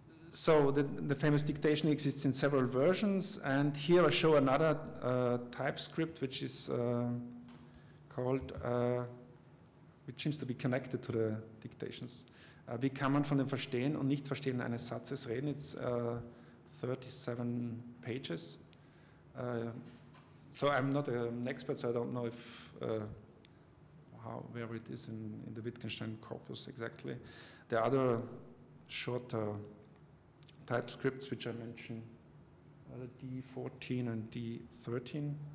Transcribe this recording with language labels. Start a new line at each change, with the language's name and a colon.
English: So the famous dictation exists in several versions, and here I show another typescript, which is called, which seems to be connected to the dictations.
German: Wie kann man von dem Verstehen und nicht Verstehen eines Satzes reden?
English: It's 37 pages. So I'm not an expert, so I don't know if where it is in the Wittgenstein corpus exactly. The other shorter typescripts, which I mentioned, are the D14 and D13.